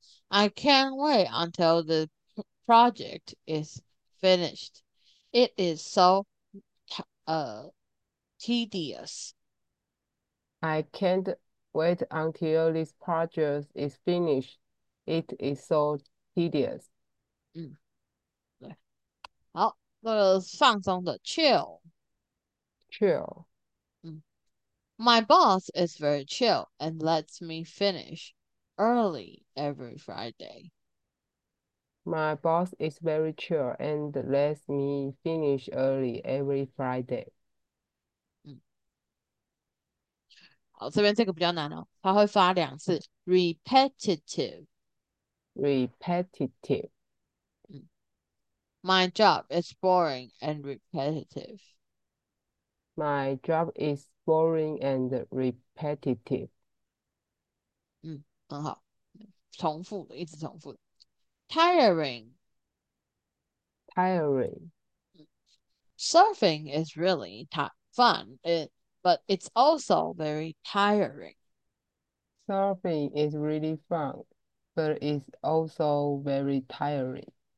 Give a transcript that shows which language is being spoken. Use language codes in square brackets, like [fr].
[en] I can't wait until the project is finished. It is so tedious. I can't wait until this project is finished. It is so tedious. [zh] 好，那个放松的 chill. [en] Chill. My boss is very chill and lets me finish early every Friday. My boss is very chill and lets me finish early every Friday. [zh] 好，这边这个比较难哦，它会发2次，repetitive。 [en] Repetitive. My job is boring and repetitive. My job is boring and repetitive. [zh] 很好，重复的，一直重复的，tiring。 [en] Tiring. Surfing is really fun, but it's also very tiring. Surfing is really fun. But it's also very tiring.